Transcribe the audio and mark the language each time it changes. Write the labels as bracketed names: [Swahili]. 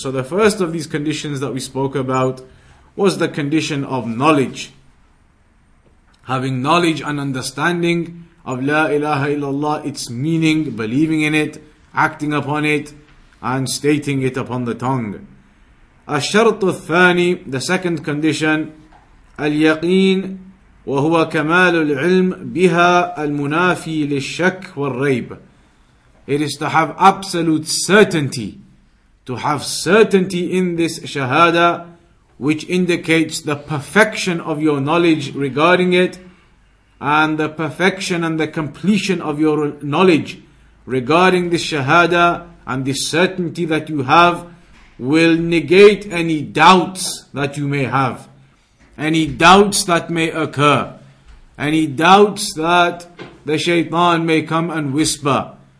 [English] So the first of these conditions that we spoke about was the condition of knowledge. Having knowledge and understanding of La ilaha illallah, its meaning, believing in it, acting upon it, and stating it upon the tongue. [Arabic] الشرط الثاني, [English] the second condition, [Arabic] اليقين وهو كمال العلم بها المنافي للشك والريب. [English] It is to have absolute certainty, to have certainty in this shahada, which indicates the perfection of your knowledge regarding it, and the perfection and the completion of your knowledge regarding this shahada and the certainty that you have will negate any doubts that you may have, any doubts that may occur, any doubts that the shaitan may come and whisper.